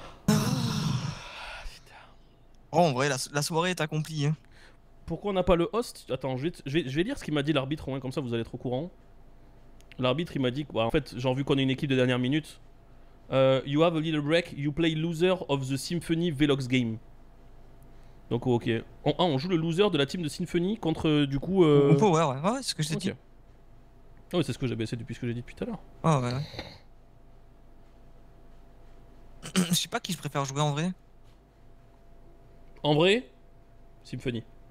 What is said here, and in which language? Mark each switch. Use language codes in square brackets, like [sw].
[fr] Oh, en vrai, la soirée est accomplie. Hein. Pourquoi on n'a pas le host? Attends, je vais lire ce qu'il m'a dit l'arbitre, au moins comme ça vous allez être au courant. L'arbitre il m'a dit quoi? En fait, genre vu qu'on est une équipe de dernière minute. [en] You have a little break, you play loser of the Symphony Velox game. [fr] Donc, ok. On joue le loser de la team de Symphony contre du coup. Ouais, c'est ce que j'ai dit. Ouais, oh, c'est ce que j'avais essayé depuis ce que j'ai dit depuis tout à l'heure. Ah, oh, ouais. Je sais pas qui je préfère jouer en vrai. En vrai, Symphony.